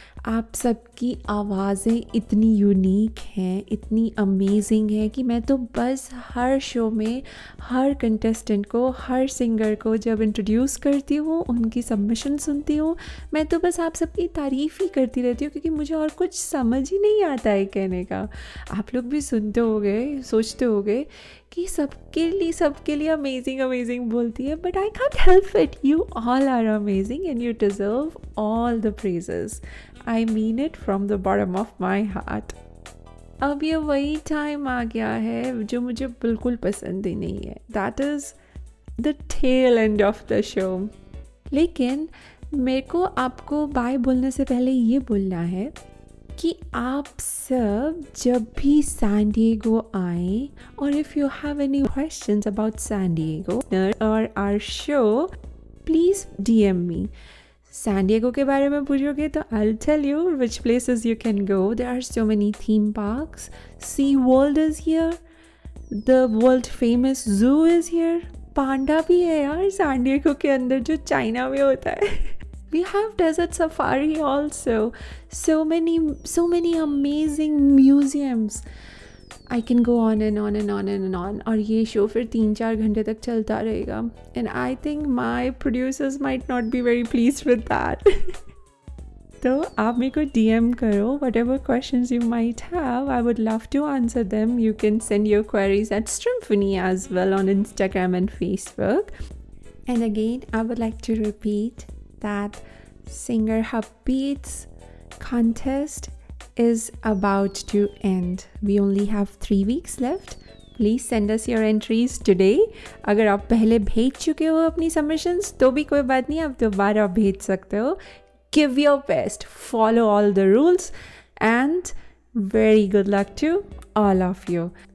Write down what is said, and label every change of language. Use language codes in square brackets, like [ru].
[hi] आप सबकी आवाज़ें इतनी यूनिक हैं, इतनी अमेजिंग हैं कि मैं तो बस हर शो में हर कंटेस्टेंट को, हर सिंगर को जब इंट्रोड्यूस करती हूँ, उनकी सबमिशन सुनती हूँ, मैं तो बस आप सबकी तारीफ़ ही करती रहती हूँ, क्योंकि मुझे और कुछ समझ ही नहीं आता है कहने का. आप लोग भी सुनते होंगे, सोचते होंगे कि सबके लिए अमेजिंग अमेजिंग बोलती है, [en] But I can't help it. You all are amazing and you deserve all the praises. I mean it from the bottom of my heart. [hi] अब ये वही टाइम आ गया है जो मुझे बिल्कुल पसंद ही नहीं है. [en] That is the tail end of the show. [hi] लेकिन मेरे को आपको बाय बोलने से पहले ये बोलना है कि आप सब जब भी सैन डिएगो आए, और [en] If you have any questions about San Diego or our show, please DM me. San Diego [hi] के बारे में पूछोगे तो [en] I tell you which places you can go. There are so many theme parks. SeaWorld is here, the world famous zoo is here, panda [hi] भी है यार सैन डिएगो के अंदर जो चाइना में होता है. [en] We have desert safari also. So many amazing museums. I can go on and on and on and on. [hi] और ये शो फिर 3-4 घंटे तक चलता रहेगा. [en] And I think my producers might not be very pleased with that. [hi] तो आप मेरे को DM करो, [en] Whatever questions you might have, I would love to answer them. You can send your queries at Strimphony as well on Instagram and Facebook. And again I would like to repeat that singer hub beats contest is about to end. We only have 3 weeks left. Please send us your entries today. [hi] अगर आप पहले भेज चुके हो अपनी submissions, तो भी कोई बात नहीं, आप दोबारा भेज सकते हो. [en] Give your best, follow all the rules, and very good luck to all of you.